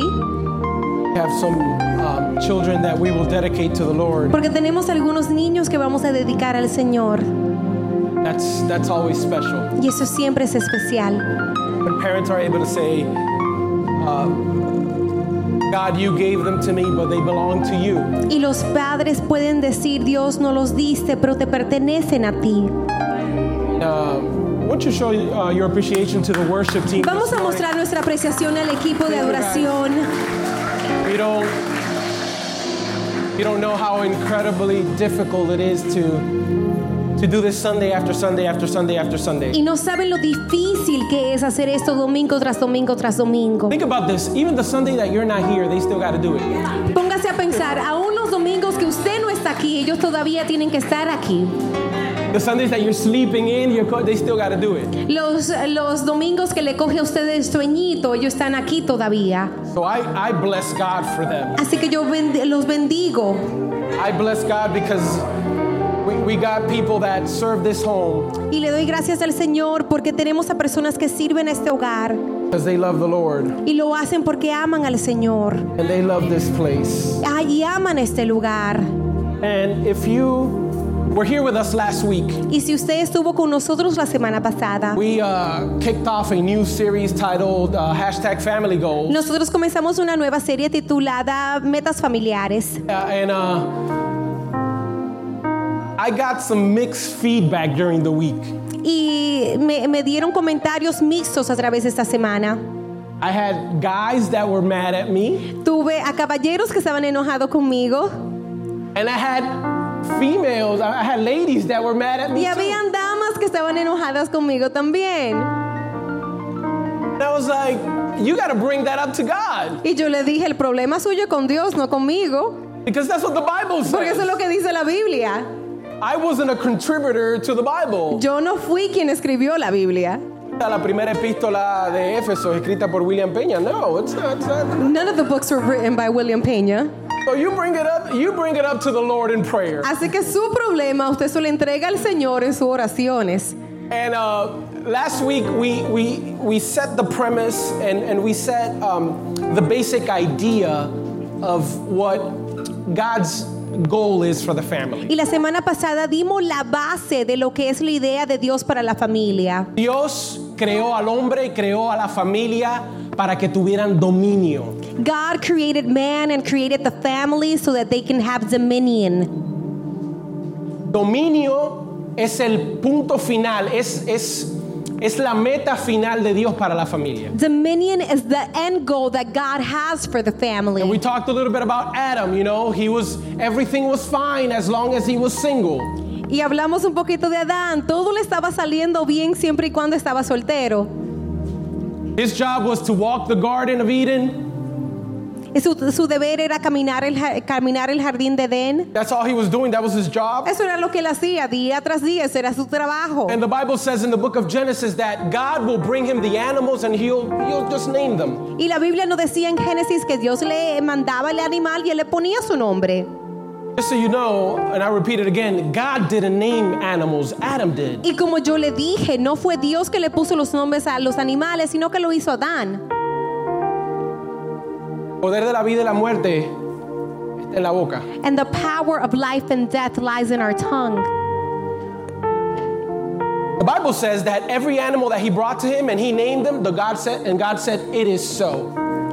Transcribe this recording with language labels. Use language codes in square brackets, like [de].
[en] We have some children that we will dedicate to the Lord. [es] Porque tenemos algunos niños que vamos a dedicar al Señor. [en] That's always special. [es] Y eso siempre es especial. [en] When parents are able to say, God, you gave them to me, but they belong to you. [es] Y los padres pueden decir, Dios no los diste, pero te pertenecen a ti. [en] Won't you show your appreciation to the worship team? [es] Vamos a mostrar nuestra apreciación al equipo de adoración. [en] You don't know how incredibly difficult it is to do this Sunday after Sunday after Sunday after Sunday. [es] Y no saben lo difícil que es hacer esto domingo tras domingo tras domingo. [en] Think about this. Even the Sunday that you're not here, they still got to do it. [es] Póngase a pensar. Aún los domingos que usted no está aquí, ellos todavía tienen que estar aquí. [en] The Sundays that you're sleeping in, they still got to do it. [es] Los domingos que le coge a ustedes sueñito, ellos están aquí todavía. [en] So I bless God for them. [es] Así que yo los bendigo. [en] I bless God because we got people that serve this home. [es] Y le doy gracias al Señor porque tenemos a personas que sirven a este hogar. [en] Because they love the Lord. [es] Y lo hacen porque aman al Señor. [en] And they love this place. [es] Ay, y aman este lugar. [en] And if you were here with us last week, [es] y si usted estuvo con nosotros la semana pasada, [en] we kicked off a new series titled Hashtag Family Goals. [es] Nosotros comenzamos una nueva serie titulada Metas Familiares. [en] I got some mixed feedback during the week. [es] Y me dieron comentarios mixtos a través de esta semana. [en] I had guys that were mad at me. [es] Tuve a caballeros que estaban enojados conmigo. [en] And I had females, I had ladies that were mad at me. [es] Y habían damas que estaban enojadas conmigo también. [en] And I was like, you got to bring that up to God. [es] Y yo le dije, el problema suyo con Dios, no conmigo. [en] Because that's what the Bible says. [es] Porque eso es lo que dice la Biblia. [en] I wasn't a contributor to the Bible. [es] Yo no fui quien escribió la Biblia. La primera epístola de Éfeso escrita por William Peña. [en] No, it's not. None of the books were written by William Peña. So you bring it up to the Lord in prayer. [es] Así que su problema usted se lo entrega al Señor en sus oraciones. [en] And last week we set the premise and we set the basic idea of what God's goal is for the family. [es] Y la semana pasada dimos la base de lo que es la idea de Dios para la familia. Dios creó al hombre y creó a la familia para que tuvieran dominio. [en] God created man and created the family so that they can have dominion. [es] Dominio es el punto final, es la meta final de Dios para la familia. [en] Dominion is the end goal that God has for the family. And we talked a little bit about Adam, you know, everything was fine as long as he was single. [es] Y hablamos un poquito de Adán, todo le estaba saliendo bien siempre y cuando estaba soltero. [en] His job was to walk the Garden of Eden. [es] Su deber era caminar el jardín de Edén. [en] That's all he was doing. That was his job. [es] Eso era lo que él hacía día tras día. Ese era su trabajo. [en] And the Bible says in the book of Genesis that God will bring him the animals and he'll just name them. [es] Y la Biblia no decía en Génesis que Dios le mandaba el animal y él le ponía su nombre. [en] Just so you know, and I repeat it again, God didn't name animals, Adam did. [es] Y como yo le dije, no fue Dios que le puso los nombres a los animales, sino que lo hizo Adán. Poder de la vida y la muerte está en la boca. [en] And the power of life and death lies in our tongue. The Bible says that every animal that he brought to him and he named them, God said, it is so.